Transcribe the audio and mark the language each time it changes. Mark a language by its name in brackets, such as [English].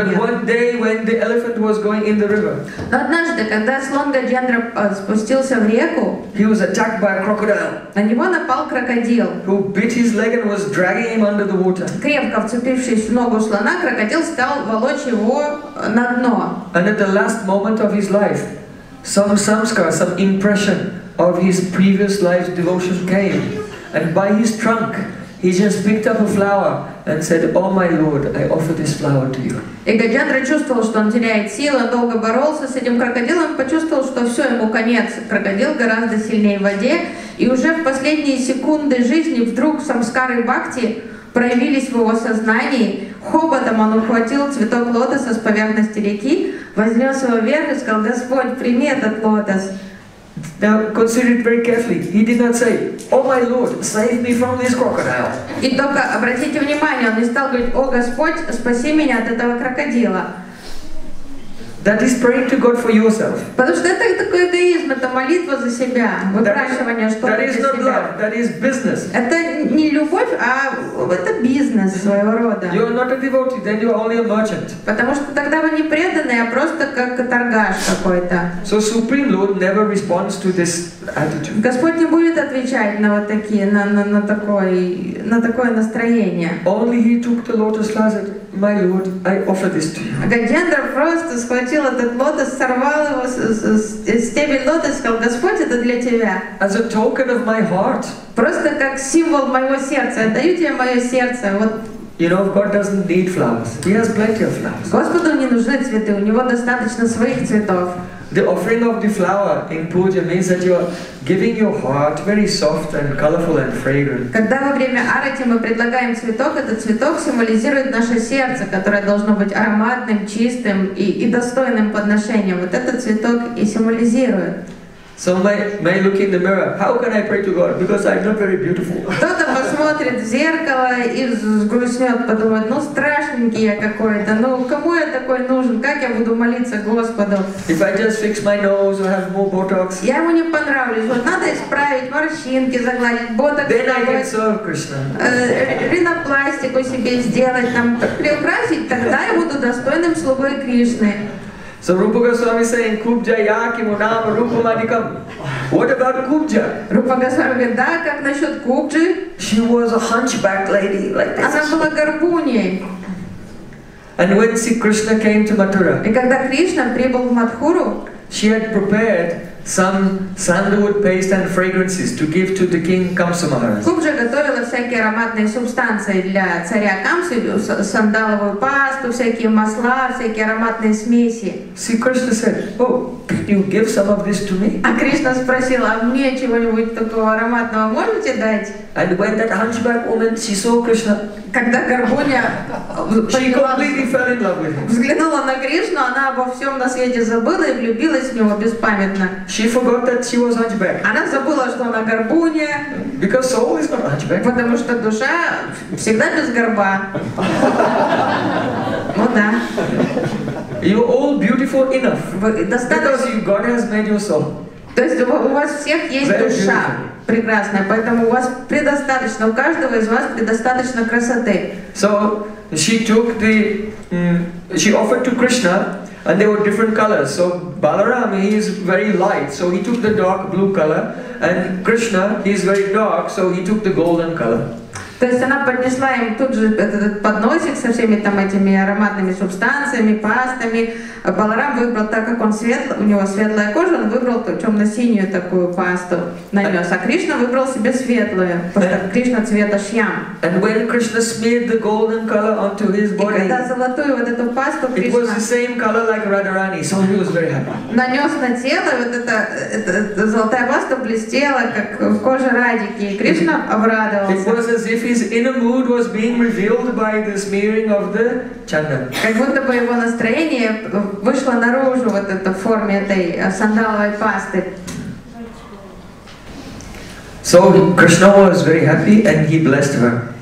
[English] But But one day when the elephant was going in the river. [Russian] Но однажды, когда слон Гаджендра спустился в реку, [English] he was attacked by a crocodile. [Russian] На него напал крокодил. [English] Who bit his leg and was dragging him under the water. [Russian] Крепко вцепившись в ногу слона, крокодил стал волочь его на дно. [English] And at the last moment of his life, some samskara, some impression of his previous life's devotion came. And by his trunk, he just picked up a flower and said, Oh my Lord, I offer this flower to you. [Russian] И Гаджендра чувствовал, что он теряет силы, долго боролся с этим крокодилом, почувствовал, что все, ему конец. Крокодил гораздо сильнее в воде. И уже в последние секунды жизни вдруг самскары бхакти проявились в его сознании. Хоботом он ухватил цветок лотоса с поверхности реки, вознес его вверх и сказал, Господь, прими этот лотос. [English] Now consider it very carefully. He did not say, Oh my Lord, save me from this crocodile. [Russian] И только обратите внимание, он не стал говорить, О Господь, спаси меня от этого крокодила. [English] That is praying to God for yourself. [Russian] Потому что это такой эгоизм, это молитва за себя, выпрашивание что-то для себя. [English] That is not love. That is business. [Russian] Это не любовь, а это бизнес своего рода. [English] You are not a devotee, then you are only a merchant. [Russian] Потому что тогда вы не преданный, а просто как торгаш какой-то. [English] So Supreme Lord never responds to this attitude. [Russian] Господь не будет отвечать на вот такие, на такое настроение. [English] Only He took the lotus flower. My Lord, I offer this to you. [Russian] Гаджендра просто схватил этот лотос, сорвал его с стебель лотоса и сказал: Господь, это для тебя. [English] As a token of my heart. [Russian] Просто как символ моего сердца. Я даю тебе мое сердце. Вот. [English] You know, God doesn't need flowers. He has plenty of flowers. [Russian] Господу не нужны цветы. У него достаточно своих цветов. [English] The offering of the flower in puja means that you are giving your heart very soft and colorful and fragrant. [Russian] Когда во время арати мы предлагаем цветок, этот цветок символизирует наше сердце, которое должно быть ароматным, чистым и достойным подношения. Вот этот цветок и символизирует. [English] Some may look in the mirror. How can I pray to God? Because I'm not very beautiful. [Russian] Кто-то посмотрит в зеркало и сгрустнет, подумает: ну страшненький я какой-то. Ну кому я такой нужен? Как я буду молиться Господу? [English] If I just fix my nose or have more Botox. [Russian] Я ему не понравлюсь. Вот надо исправить морщинки, загладить Ботокс. [English] Then I can serve Krishna. [Russian] Ринопластику себе сделать там, приукрасить. Тогда я буду достойным слугой Кришны. [English] So Rupa Goswami is saying, [Sanskrit] Kubja Yakimu Nama Rupa Madhikam. [English] What about Kubja? [Russian] Rupa Goswami говорит, да, как насчет Кубджи? [English] She was a hunchback lady like this. [Russian] Она была горбуньей. [English] And when see Krishna came to Mathura, [Russian] и когда Кришна прибыл в Мадхуру, [English] she had prepared some sandalwood paste and fragrances to give to the king Kamsa Maharaj. [Russian] Кубджа готовила всякие ароматные субстанции для царя Камсы, сандаловую пасту, всякие масла, всякие ароматные смеси. [English] See, Krishna said, "Oh, can you give some of this to me?" [Russian] А Кришна спросил: "А мне чего-нибудь такого ароматного можете дать?" [English] And when that hunchback woman she saw Krishna, [Russian] когда горбуня взглянула на Кришну, она обо всем на свете забыла и влюбилась в него беспамятно. [English] She forgot that she was hunchback. [Russian] Она забыла, что она горбуня. [English] Because soul is not hunchback. [Russian] Потому что душа всегда без горба. Ну да. [English] You all beautiful enough. Because God has made your soul. [Russian] То есть у вас всех есть душа прекрасная, поэтому у вас предостаточно, у каждого из вас предостаточно красоты. [English] So she took the, she offered to Krishna. And they were different colors. So Balaram, he is very light, so he took the dark blue color. And Krishna, he is very dark, so he took the golden color. [Russian] То есть она поднесла им тут же этот подносик со всеми там этими ароматными субстанциями, пастами. Баларам выбрал, так как он светлый, у него светлая кожа, он выбрал темно-синюю такую пасту, нанес. А Кришна выбрал себе светлую, просто Кришна цвета шьям. [English] And when Krishna smeared the golden color onto his body, [Russian] и когда золотую вот эту пасту Кришна, [English] it was the same color like Radharani, so he was very happy. [Russian] Нанес на тело, вот эта золотая паста блестела, как в коже Радики, и Кришна обрадовался. [English] If his inner mood was being revealed by the smearing of the chandan. [Russian] Как будто бы его настроение вышло наружу вот это в форме этой сандаловой пасты. [English] So Krishna was very happy and he blessed her.